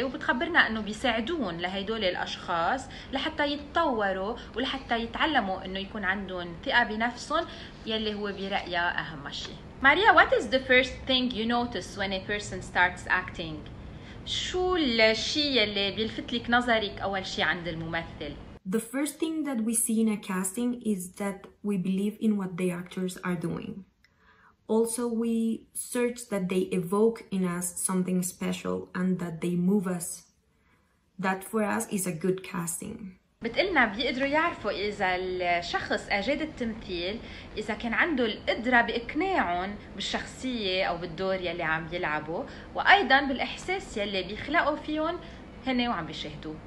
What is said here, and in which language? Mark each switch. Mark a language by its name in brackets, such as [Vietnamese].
[Arabic] وبتخبرنا انه بيساعدون لهيدول الاشخاص لحتى يتطوروا ولحتى يتعلموا انه يكون عندهم ثقة بنفسهم يلي هو برأيها اهم شيء. [English] Maria, what is the first thing you notice when a person starts acting؟ [Arabic] شو الشيء اللي بيلفت لك نظرك اول شيء عند الممثل؟ [English] The first thing that we see in a casting is that we believe in what the actors are doing. Also, we search that they evoke in us something special and that they move us. That for us is a good casting. [Arabic] بتقلنا بيقدروا يعرفوا إذا الشخص أجاد التمثيل إذا كان عنده القدرة بإقناعهم بالشخصية أو بالدور يلي عم يلعبوا، وأيضا بالإحساس يلي بيخلقوا فيهم هنا وعم بيشاهدوا.